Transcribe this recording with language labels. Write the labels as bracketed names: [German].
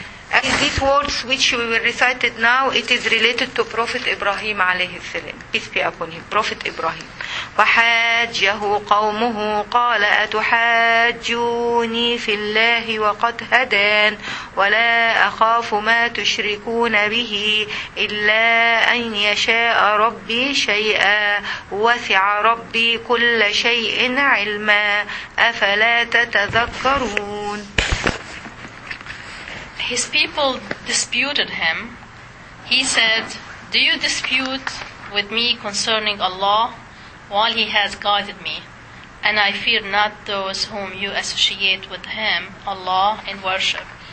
[English] And these words which we will recited now, it is related to Prophet Ibrahim [Arabic] عليه السلام. [English] Peace be upon him, Prophet Ibrahim. [Arabic] وحاجه قومه قال أتحاجوني في الله وقد هدان ولا أخاف ما تشركون به إلا أن يشاء ربي شيئا وسع ربي كل شيء علما أفلا تتذكرون. [English] His people disputed him. He said, do you dispute with me concerning Allah while he has guided me? And I fear not those whom you associate with him, Allah, in worship.